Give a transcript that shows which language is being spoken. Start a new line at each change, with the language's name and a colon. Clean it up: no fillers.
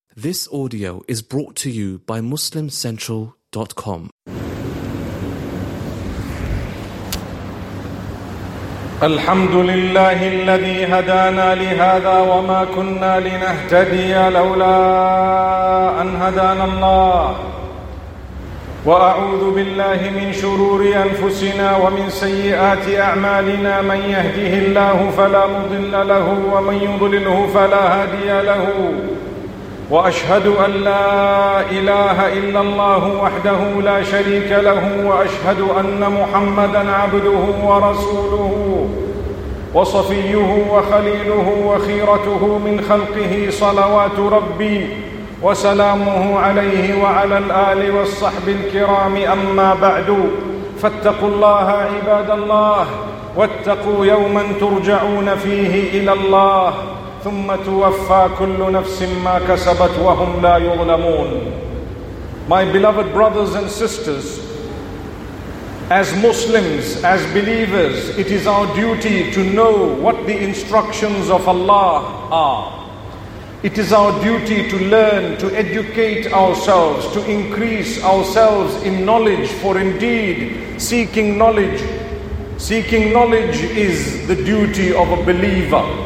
English: This audio is brought to you by MuslimCentral.com.
Arabic: الحمد لله الذي هدانا لهذا وما كنا لنهتدي لولا أن هدانا الله وأعوذ بالله من شرور أنفسنا ومن سيئات أعمالنا من يهده الله فلا مضل له ومن يضلله فلا هادي له وأشهد أن لا إله إلا الله وحده لا شريك له وأشهد أن محمدًا عبده ورسوله وصفيه وخليله وخيرته من خلقه صلوات ربي وسلامه عليه وعلى الآل والصحب الكرام أما بعد فاتقوا الله عباد الله واتقوا يوماً ترجعون فيه إلى الله ثم توفى كل نفس ما كسبت وهم لا يظلمون.
English: My beloved brothers and sisters, as Muslims, as believers, it is our duty to know what the instructions of Allah are. It is our duty to learn, to educate ourselves, to increase ourselves in knowledge, for indeed, seeking knowledge is the duty of a believer.